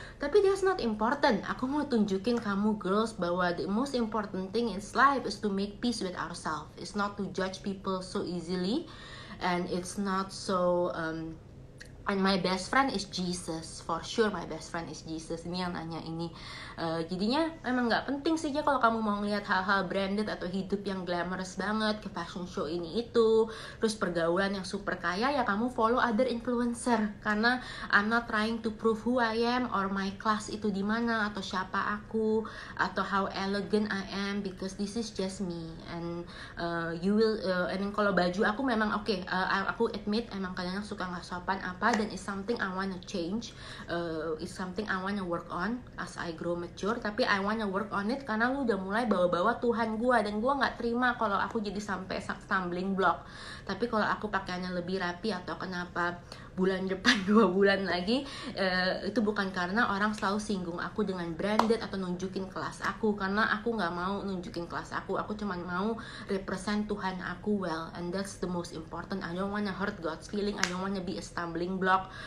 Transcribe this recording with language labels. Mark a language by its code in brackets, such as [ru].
[en] Tapi that's not important. [id] Aku mau tunjukin kamu [en] girls bahwa the most important thing in life is to make peace with ourselves. It's not to judge people so easily, and it's not so and my best friend is Jesus, for sure my best friend is Jesus. [id] Ini yang nanya ini. Jadinya emang nggak penting sih ya kalau kamu mau ngeliat hal-hal branded atau hidup yang glamorous banget, ke fashion show ini itu, terus pergaulan yang super kaya, ya kamu [en] follow other influencer. Karena I'm not trying to prove who I am or my class [id] itu di mana atau siapa aku atau [en] how elegant I am, because this is just me. And you will and [id] kalau baju aku memang oke, aku [en] admit [id] emang kadang-kadang suka nggak sopan apa, dan [en] it's something I wanna change, it's something I wanna work on as I grow mature. [id] Tapi [en] I wanna work on it [id] karena lu udah mulai bawa-bawa Tuhan gua, dan gua nggak terima kalau aku jadi sampai [en] stumbling block. [id] Tapi kalau aku pakaiannya lebih rapi atau kenapa bulan depan 2 bulan lagi, itu bukan karena orang selalu singgung aku dengan branded atau nunjukin kelas aku, karena aku nggak mau nunjukin kelas aku. Aku cuma mau [en] represent [id] Tuhan aku [en] well, and that's the most important. I don't wanna hurt God's feeling, I don't wanna be a stumbling block.